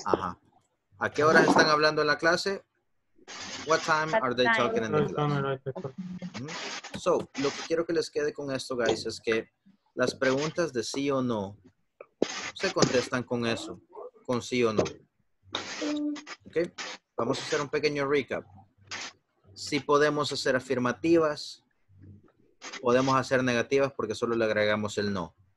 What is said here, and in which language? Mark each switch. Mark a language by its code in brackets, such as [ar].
[es] ¿A qué horas están hablando en la clase? [en] What time are they talking in the class? [es] So, lo que quiero que les quede con esto, guys, es que las preguntas de sí o no se contestan con eso, con sí o no. Okay? Vamos a hacer un pequeño recap. Si podemos hacer afirmativas, podemos hacer negativas porque solo le agregamos el no.